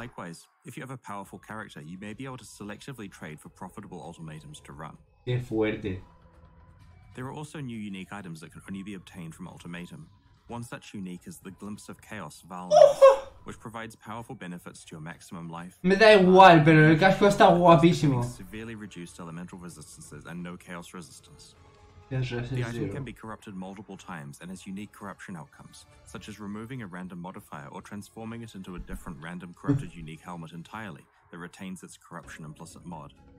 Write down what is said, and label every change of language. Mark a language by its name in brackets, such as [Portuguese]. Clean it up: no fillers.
[English] Likewise, if you have a powerful character, you may be able to selectively trade for profitable ultimatums to run. [Spanish] ¡Qué fuerte! [English] There are also new unique items that can only be obtained from ultimatum. One such unique is the Glimpse of Chaos Val, which provides powerful benefits to your maximum life. [Spanish] Me da igual, pero el casco está guapísimo. [English] Severely reduced elemental resistances and no chaos resistance. The item can be corrupted multiple times and has unique corruption outcomes, such as removing a random modifier or transforming it into a different random corrupted unique helmet entirely that retains its corruption implicit mod.